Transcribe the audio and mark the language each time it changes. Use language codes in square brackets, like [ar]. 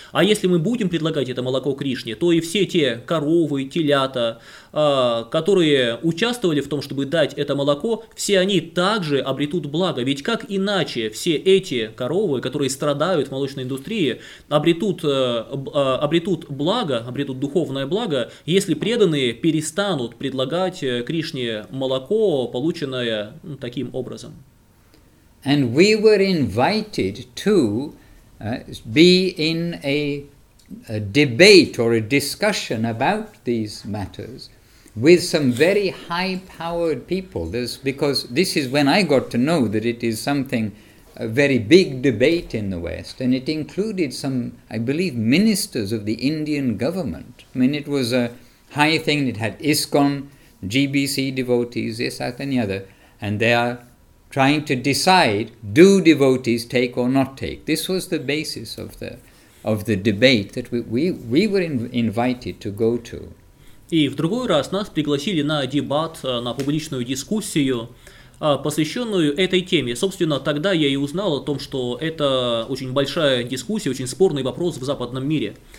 [ru] А если мы будем предлагать это молоко Кришне, то и все те коровы, телята, которые участвовали в том, чтобы дать это молоко, все они также обретут благо. Ведь как иначе все эти коровы, которые страдают в молочной индустрии, обретут благо, обретут духовное благо, если преданные перестанут предлагать Кришне молоко, полученное таким образом. [en] And we were invited to be in a debate or a discussion about these matters with some very high-powered people. Because this is when I got to know that it is something, a very big debate in the West, and it included some, I believe, ministers of the Indian government. I mean, it was a high thing. It had ISKCON, GBC devotees, this, that, and the other, and they are trying to decide, do devotees take or not take? This was the basis of the debate that we were invited to go to. [ru] И в другой раз нас пригласили на дебат, на публичную дискуссию, посвященную этой теме. Собственно, тогда я и узнал о том, что это очень большая дискуссия, очень спорный вопрос в западном мире.